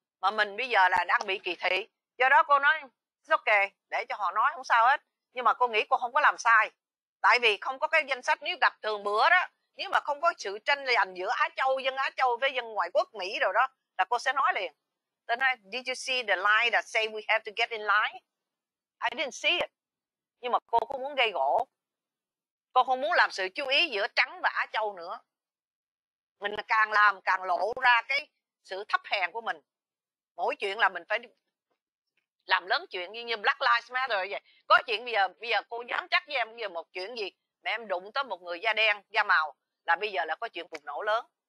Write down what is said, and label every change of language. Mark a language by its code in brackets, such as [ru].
[vi] Mà mình bây giờ là đang bị kỳ thị. Do đó cô nói, ok, để cho họ nói không sao hết. Nhưng mà cô nghĩ cô không có làm sai. Tại vì không có cái danh sách, nếu gặp thường bữa đó, nếu mà không có sự tranh giành giữa Á Châu, dân Á Châu với dân ngoại quốc Mỹ rồi đó, là cô sẽ nói liền. [en] Then I, did you see the line that say we have to get in line? I didn't see it. [vi] Nhưng mà cô không muốn gây gỗ. Cô không muốn làm sự chú ý giữa Trắng và Á Châu nữa. mình càng làm càng lộ ra cái sự thấp hèn của mình. Mỗi chuyện là mình phải làm lớn chuyện như Black Lives Matter vậy. Có chuyện bây giờ cô dám chắc với em, bây giờ một chuyện gì mà em đụng tới một người da đen, da màu là bây giờ là có chuyện bùng nổ lớn.